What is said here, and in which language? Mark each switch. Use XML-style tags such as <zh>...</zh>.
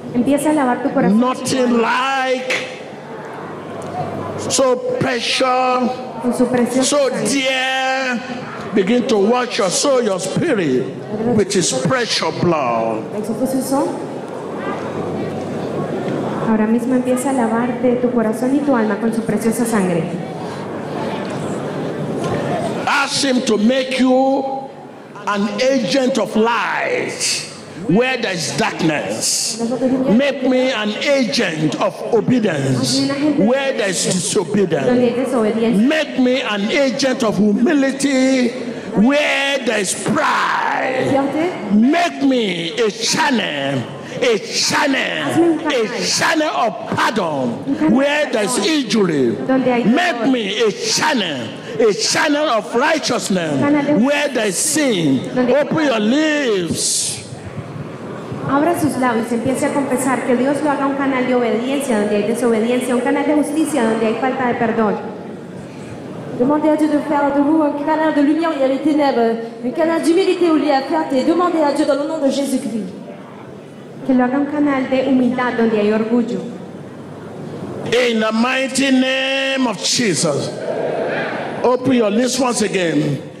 <en>Nothing like so precious, so dear. Begin to wash your soul, your spirit, with his precious blood.</en> <es>Ahora mismo empieza a lavarte tu corazón y tu alma con su preciosa sangre.</es> <en>Ask him to make you an agent of light where there is darkness. Make me an agent of obedience where there is disobedience. Make me an agent of humility where there is pride. Make me a channel a channel of pardon where there's injury. Make me a channel of righteousness where there's sin. Open your lips.</en> <es>Abra sus labios y empiece a confesar que Dios lo haga un canal de obediencia donde hay desobediencia, un canal de justicia donde hay falta de perdón.</es> <fr>Demandez à Dieu de faire de vous un canal de lumière où il y a les ténèbres, un canal d'humilité où il y a fierté. Demandez à Dieu dans le nom de Jésus-Christ que</fr> <es>lo haga un canal de humildad donde hay orgullo.</es> <en>In the mighty name of Jesus, open your lips once again.</en>